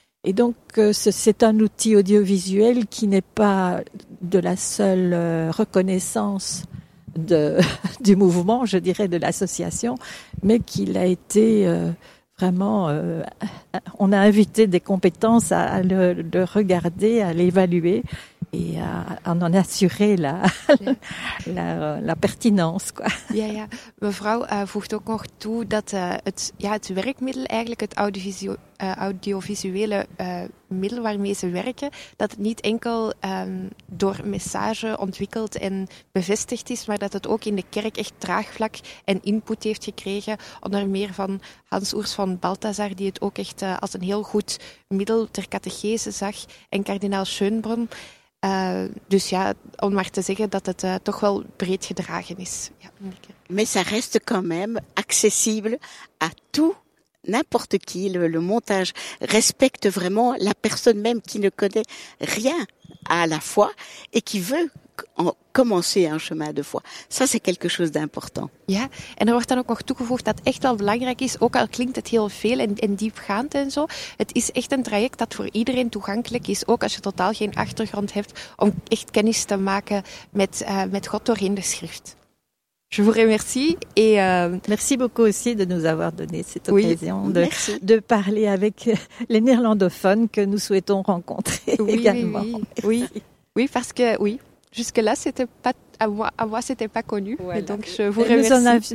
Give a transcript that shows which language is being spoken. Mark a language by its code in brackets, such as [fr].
[fr] Et donc c'est un outil audiovisuel qui n'est pas de la seule reconnaissance du mouvement, je dirais, de l'association, mais qu'il a été vraiment... on a invité des compétences à le regarder, à l'évaluer, et à en assurer la pertinence. Quoi. [nl] Ja, ja. Mevrouw voegt ook nog toe dat het werkmiddel, eigenlijk het audiovisuele middel waarmee ze werken, dat het niet enkel door message ontwikkeld en bevestigd is, maar dat het ook in de kerk echt draagvlak en input heeft gekregen, onder meer van Hans Oers van Balthasar, die het ook echt als een heel goed middel ter catechese zag, en kardinaal Schönbrunn. Dus ja, om maar te zeggen dat het toch wel breed gedragen is. Ja, in de kerk. [fr] Mais ça reste quand même accessible à tout. N'importe qui, le montage respecte vraiment la personne même qui ne connaît rien à la foi et qui veut commencer un chemin de foi. Ça, c'est quelque chose d'important. [nl] Ja, en er wordt dan ook nog toegevoegd dat echt wel belangrijk is, ook al klinkt het heel veel en diepgaand en zo, het is echt een traject dat voor iedereen toegankelijk is, ook als je totaal geen achtergrond hebt, om echt kennis te maken met God doorheen de schrift. [fr] Je vous remercie et merci beaucoup aussi de nous avoir donné cette occasion de parler avec les néerlandophones que nous souhaitons rencontrer également. Oui, parce que jusque-là c'était pas à moi c'était pas connu. Voilà. Donc je vous remercie.